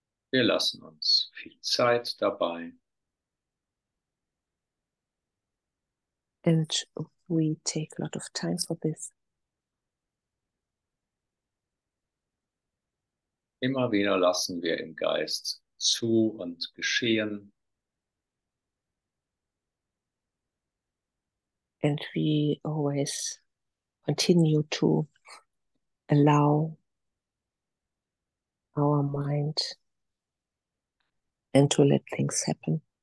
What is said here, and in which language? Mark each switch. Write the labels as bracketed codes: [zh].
[de] Wir lassen uns viel Zeit dabei. [en] And we take a lot of time for this. [de] Immer wieder lassen wir im Geist zu und geschehen. [en] And we always continue to allow our mind and to let things happen.